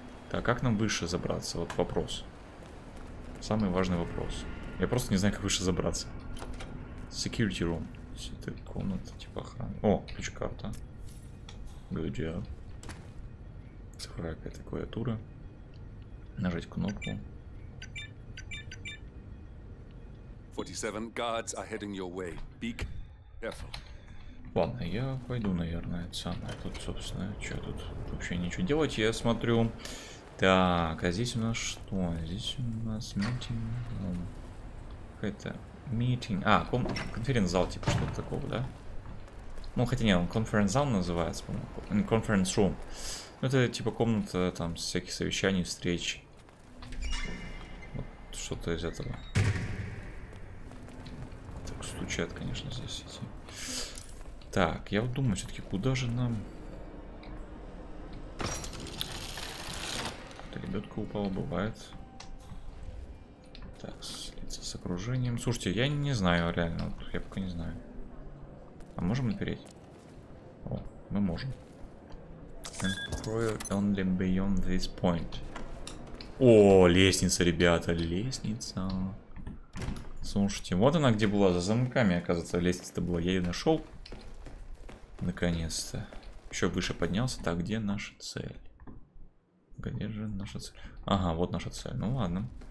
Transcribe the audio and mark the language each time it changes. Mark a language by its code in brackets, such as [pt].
[ru] Так, как нам выше забраться? Вот вопрос. Самый важный вопрос. Я просто не знаю, как выше забраться. [en] Security room. [ru] Это комната типа охраны. О, ключ-карта. [en] Good job. [ru] Цифровая какая-то клавиатура. Нажать кнопку. [en] 47 guards are heading your way. Be careful. [ru] Ладно, я пойду, наверное, самое. Тут, собственно, что тут вообще ничего делать, я смотрю. Так, а здесь у нас что? Здесь у нас митинг. Какая-то митинг. А, конференц-зал, типа что-то такого, да? Ну, хотя не, он конференц-зал называется, по-моему. Конференц-рум. Ну, это типа комната там всяких совещаний, встреч. Вот что-то из этого. Так, стучат, конечно, здесь эти. Так, я вот думаю, все-таки, куда же нам... Это лебедка упала, бывает. Так, слиться с окружением. Слушайте, я не знаю, реально, вот, я пока не знаю. А можем напереть? О, мы можем. [en] Employer only beyond this point. [ru] О, лестница, ребята, лестница. Слушайте, вот она где была, за замками, оказывается, лестница-то была, я ее нашел. Наконец-то. Еще выше поднялся. Так, где наша цель? Где же наша цель? Ага, вот наша цель. Ну ладно.